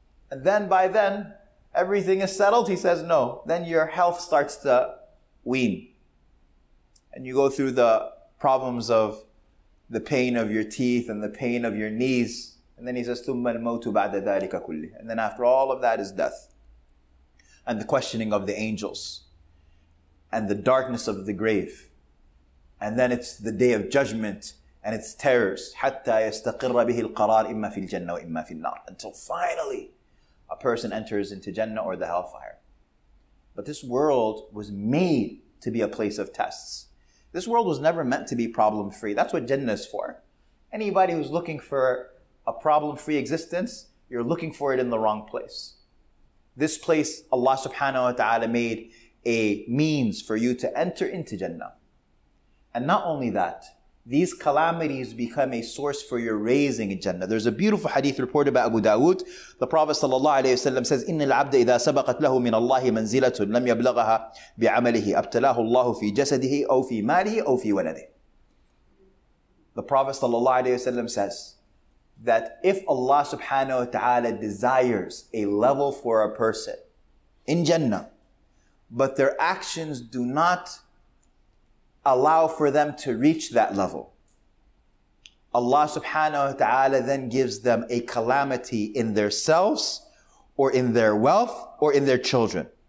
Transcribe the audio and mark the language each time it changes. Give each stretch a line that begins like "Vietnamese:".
English: And then by then, everything is settled. He says, no. Then your health starts to wean. And you go through the problems of the pain of your teeth and the pain of your knees. And then he says,
Arabic: ثُمَّ الْمَوْتُ بَعْدَ ذَلِكَ كُلِّهِ.
English: And then after all of that is death. And the questioning of the angels. And the darkness of the grave. And then it's the day of judgment. And it's terrors.
Arabic: حَتَّى يَسْتَقِرَّ بِهِ الْقَرَارِ إِمَّا فِي الْجَنَّةِ وَإِمَّا فِي النَّارِ.
English: Until finally, a person enters into Jannah or the hellfire. But this world was made to be a place of tests. This world was never meant to be problem-free. That's what Jannah is for. Anybody who's looking for a problem-free existence, you're looking for it in the wrong place. This place, Allah subhanahu wa ta'ala made a means for you to enter into Jannah. And not only that, these calamities become a source for your raising in Jannah. There's a beautiful hadith reported by Abu Dawood. The Prophet sallallahu alayhi wa sallam says,
Arabic: إِنَّ الْعَبْدَ إِذَا سَبَقَتْ لَهُ مِنَ اللَّهِ مَنْزِلَةٌ لَمْ يَبْلَغَهَا بِعَمَلِهِ أَبْتَلَاهُ اللَّهُ فِي جَسَدِهِ أَوْ فِي مَالِهِ أَوْ فِي وَلَدِهِ.
English: The Prophet sallallahu alayhi wa sallam says that if Allah subhanahu wa ta'ala desires a level for a person in Jannah, but their actions do not allow for them to reach that level, Allah subhanahu wa ta'ala then gives them a calamity in themselves, or in their wealth, or in their children.